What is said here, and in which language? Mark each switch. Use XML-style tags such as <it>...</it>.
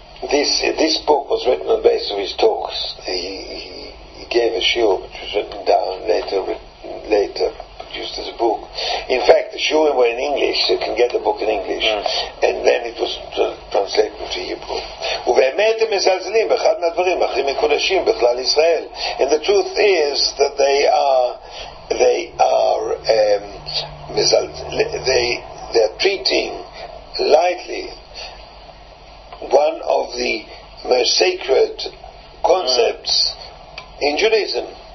<en>This book was written on the basis of his talks. He gave a shul, which was written down later, produced as a book. In fact, the shul were in English, so you can get the book in English. Mm. And then it was translated into Hebrew.</en> <he>ובאמת הם מזלזלים באחד מהדברים אחרים מקודשים בכלל ישראל.</he> <en>And the truth is that they are treating lightly one of the most sacred concepts in Judaism.</en>